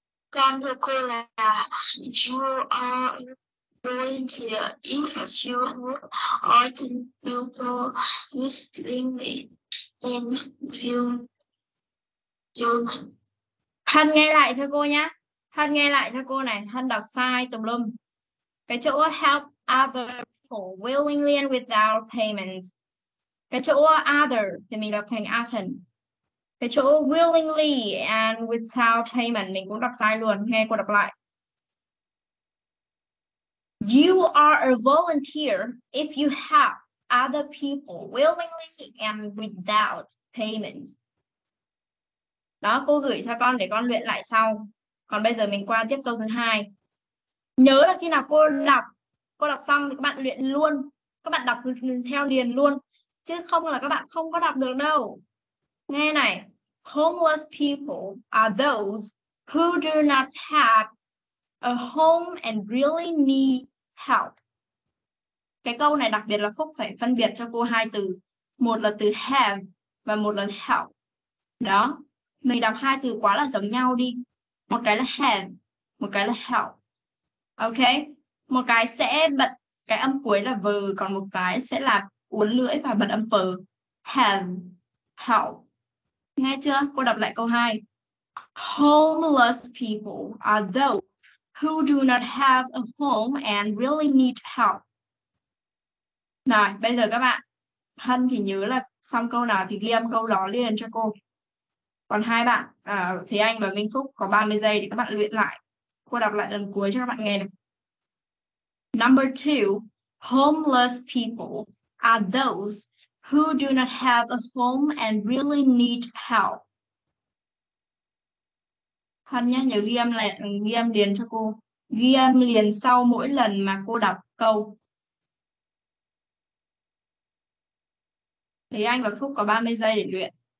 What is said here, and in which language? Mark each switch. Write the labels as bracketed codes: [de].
[vi] Con thưa cô là [en] you are going to interview you or to people who's doing it in film. [vi] Hân nghe lại cho cô nhé. Hân nghe lại cho cô này. Hân đọc sai tùm lum. Cái chỗ [en] help other people willingly and without payments. [vi] Cái chỗ other thì mình đọc thành other. Cái chỗ [en] willingly and without payment [vi] mình cũng đọc sai luôn. Nghe cô đọc lại. [en] You are a volunteer if you help other people willingly and without payments. [vi] Đó, cô gửi cho con để con luyện lại sau. Còn bây giờ mình qua tiếp câu thứ hai. Nhớ là khi nào cô đọc xong thì các bạn luyện luôn. Các bạn đọc theo liền luôn. Chứ không là các bạn không có đọc được đâu. Nghe này. [en] Homeless people are those who do not have a home and really need help. [vi] Cái câu này đặc biệt là Phúc phải phân biệt cho cô hai từ. Một là từ have và một là help. Đó. Mình đọc hai từ quá là giống nhau đi. Một cái là have, một cái là help. Ok. Một cái sẽ bật cái âm cuối là v, còn một cái sẽ là uốn lưỡi và bật âm p. Have, help. Nghe chưa? Cô đọc lại câu 2. [en] Homeless people are those who do not have a home and really need help. [vi] Rồi, bây giờ các bạn, Hân thì nhớ là xong câu nào thì ghi âm câu đó liền cho cô. Còn hai bạn, Thế Anh và Minh Phúc có 30 giây để các bạn luyện lại. Cô đọc lại lần cuối cho các bạn nghe này. [en] Number two, homeless people are those who do not have a home and really need help. [vi] Hân nhá, nhớ ghi âm lại, ghi âm liền cho cô. Ghi âm liền sau mỗi lần mà cô đọc câu. Thế Anh và Phúc có 30 giây để luyện.